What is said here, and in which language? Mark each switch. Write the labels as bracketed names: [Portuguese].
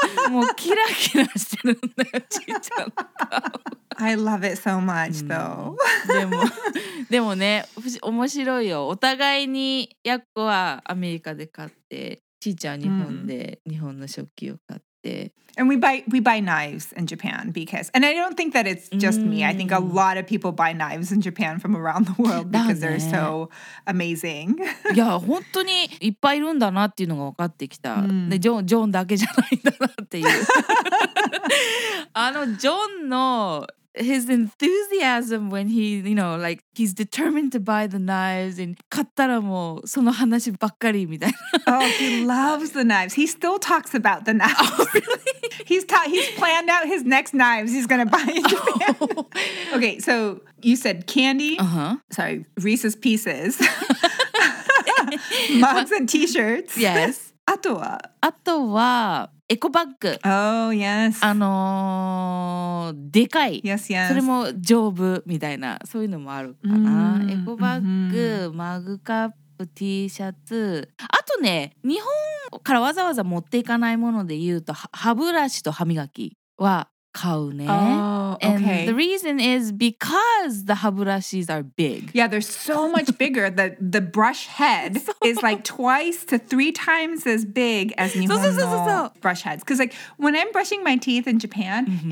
[Japanese] もうキラキラしてるんだよちいちゃんの顔。 [English] I love it so much, though. [Japanese] でもね、面白いよ。お互いにやっこはアメリカで買って、ちーちゃんは日本で日本の食器を買って。 [English] And we buy knives in Japan because, and I don't think that it's just me. I think a lot of people buy knives in Japan from around the world because they're so amazing. [Japanese] いや、本当にいっぱいいるんだなっていうのが分かってきた。で、ジョンだけじゃないんだなっていう。あのジョンの [English] His enthusiasm when he, you know, like, he's determined to buy the knives and [Japanese] 買ったらもうその話ばっかりみたいな。 [English] Oh, he loves the knives. He still talks about the knives. Oh, really? He's planned out his next knives he's gonna buy in Japan. Okay, so you said candy. Uh-huh. Sorry, Reese's Pieces. Mugs and t-shirts. Yes. [Japanese] あとは？あとは…エコバッグ。 [English] Oh, yes. [Japanese] でかい。 [English] Yes, yes. [Japanese] それも丈夫みたいな、そういうのもあるかな。 Mm-hmm. エコバッグ、マグカップ、T シャツ。あとね、日本からわざわざ持っていかないもので言うと、歯ブラシと歯磨きは買うね。 [English] Oh, okay. And the reason is because the 歯ブラシ are big. Yeah, they're so much bigger that the brush head is like twice to three times as big as 日本の brush heads. Because like when I'm brushing my teeth in Japan, mm-hmm.